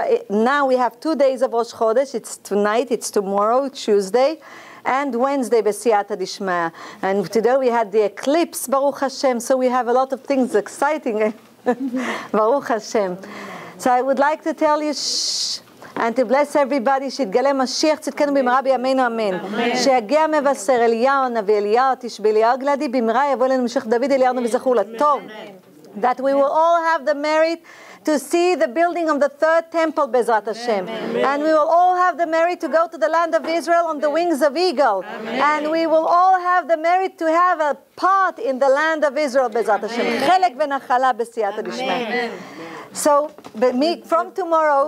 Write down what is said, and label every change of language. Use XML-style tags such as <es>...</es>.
<en>Now we have 2 days of Rosh Chodesh. It's tonight, it's tomorrow, Tuesday, and Wednesday, Besiata Dishmaya. And today we had the eclipse, Baruch Hashem. So we have a lot of things exciting, Baruch Hashem. So I would like to tell you, and to bless everybody,</en> <he>שיתגלה משיח צדקנו במהרה בימינו אמן. שיגיע מבשר אליהו, נביא אליהו, תשבי אליהו גלעדי, במהרה יבוא אלינו משיח דוד, אליהו וזכור לטוב.</he> <en>That we will all have the merit to see the building of the third temple, Bezrat Hashem. Amen. And we will all have the merit to go to the land of Israel on the wings of eagle. Amen. And we will all have the merit to have a part in the land of Israel, Bezrat Hashem.</en> <he>Chelek v'nachala b'siyata d'shma.</he> <en>So, from tomorrow,</en>